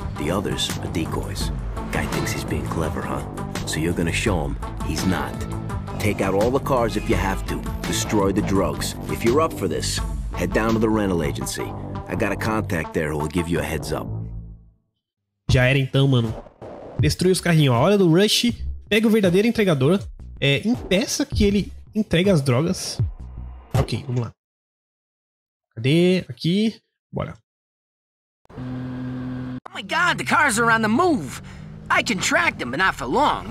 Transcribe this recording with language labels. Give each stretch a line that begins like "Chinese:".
English: The others are decoys. Guy thinks he's being clever, huh? So you're gonna show him he's not. Take out all the cars if you have to. Destroy the drugs. If you're up for this, head down to the rental agency. I got a contact there who will give you a heads up.
Portuguese: Já era então, mano. Destrui os carrinhos. A hora do Rush, pega o verdadeiro entregador, impeça que ele entregue as drogas. Ok, vamos lá. Cadê? Aqui. Bora.
English: Oh my god, the cars are on the move. I can track them, but not for long.